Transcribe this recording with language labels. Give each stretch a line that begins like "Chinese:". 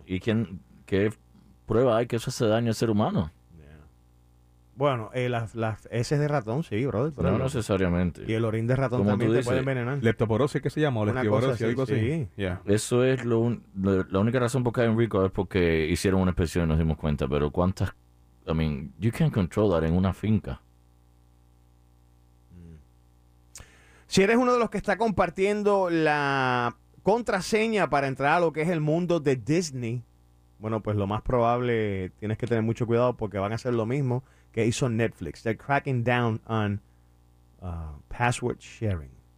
Spanish: ¿Y qué prueba hay que eso hace daño al ser humano? Yeah. Bueno, las heces de ratón, sí, brother. Pero no necesariamente. Y el orín de ratón también te puede envenenar. Leptoporosis, ¿qué se llama? Leptoporosis, sí, algo así. Sí. Yeah. Eso es la única razón por qué hay un recall, es porque hicieron una inspección y nos dimos cuenta. Pero cuántas...
English: I mean, you can't control that
Spanish: en una finca. Si eres uno de los que está compartiendo la contraseña para entrar a lo que es el mundo de Disney, bueno, pues lo más probable, tienes que tener mucho cuidado porque van a hacer lo mismo que hizo Netflix.
English: They're cracking down on password sharing.